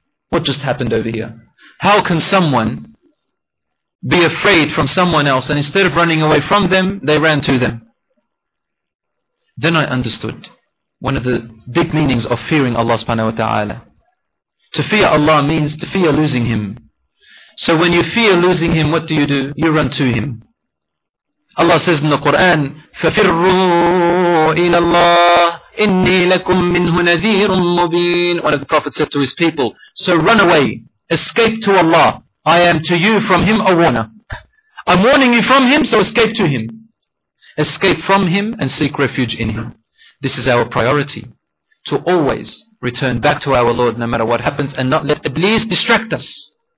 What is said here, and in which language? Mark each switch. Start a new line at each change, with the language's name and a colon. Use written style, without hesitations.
English: What just happened over here? How can someone be afraid from someone else, and instead of running away from them, they ran to them? Then I understood one of the deep meanings of fearing Allah subhanahu wa ta'ala. To fear Allah means to fear losing Him. So when you fear losing Him, what do? You run to Him. Allah says in the Quran,
Arabic: فَفِرُّوا إِلَى اللَّهِ إِنِّي لَكُم مِّنْهُ نَذِيرٌ مُّبِينٌ.
English: One of the prophets said to his people, so run away, escape to Allah. I am to you from Him a warner. I'm warning you from Him, so escape to Him. Escape from Him and seek refuge in Him. This is our priority. To always return back to our Lord no matter what happens, and not let Iblis distract us.